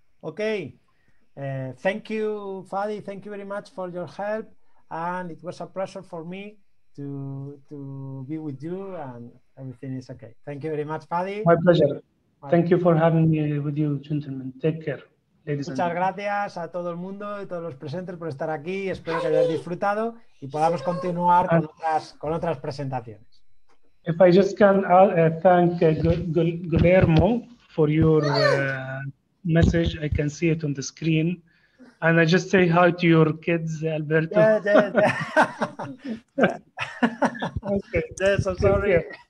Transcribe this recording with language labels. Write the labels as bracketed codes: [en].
[en] Okay. Thank you, Fadi. Thank you very much for your help. And it was a pleasure for me to be with you, and everything is okay. Thank you very much, Fadi. My pleasure. Thank you for having me with you, gentlemen. Take care, ladies and [es] gentlemen. Muchas gracias a todo el mundo y todos los presentes por estar aquí. Espero que hayas disfrutado y podamos continuar con otras presentaciones. [en] If I just can thank Guillermo for your message, I can see it on the screen. And I just say hi to your kids, Alberto. Yeah. Okay. Yes, I'm sorry.